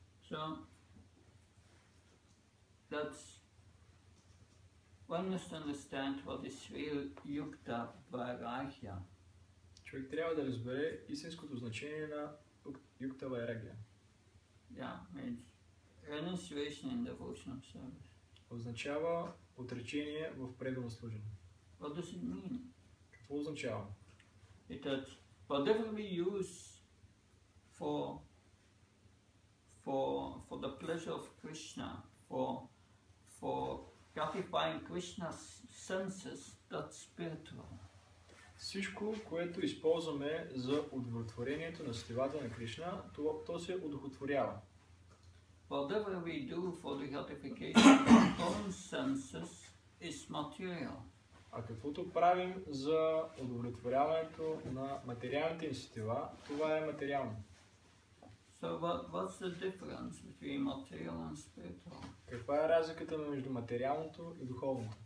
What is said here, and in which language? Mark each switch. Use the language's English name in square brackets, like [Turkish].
[English] So that's one must understand what is real yukta vairagya. [Bulgarian] Човек трябва да разбере истинското значение на yukta vairagya. [English] Means renunciation in devotional service. [Bulgarian] Означава отречение в предано служение. [English] What does it mean? [Bulgarian] Какво означава? [English] It that whatever we use for the pleasure of Krishna, for gratifying Krishna's senses, that's spiritual. [Bulgarian] Всичко, което използваме за удовлетворението на сетивата на Кришна, то се удовлетворява. [English] Whatever we do for the gratification of our own senses is material. [Bulgarian] А каквото правим за удовлетворяването на материалните инициатива, това е материално. [English] So what's the difference between material and spiritual? [Bulgarian] Каква е разликата между материалното и духовното?